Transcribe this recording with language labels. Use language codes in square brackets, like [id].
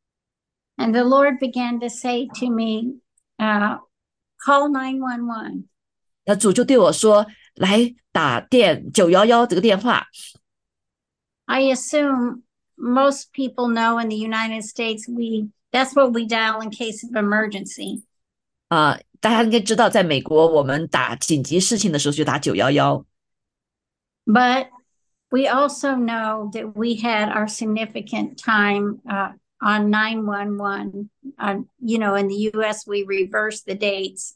[en] the Lord began to say to me, call 911. [zh] 那主就对我说，来打911这个电话。I [en] assume most people know in the United States that's what we dial in case of emergency. [zh] 大家应该知道，在美国，我们打紧急事情的时候就打911。But [en] we also know that we had our significant time on 911. You know, in the U.S., we reversed the dates.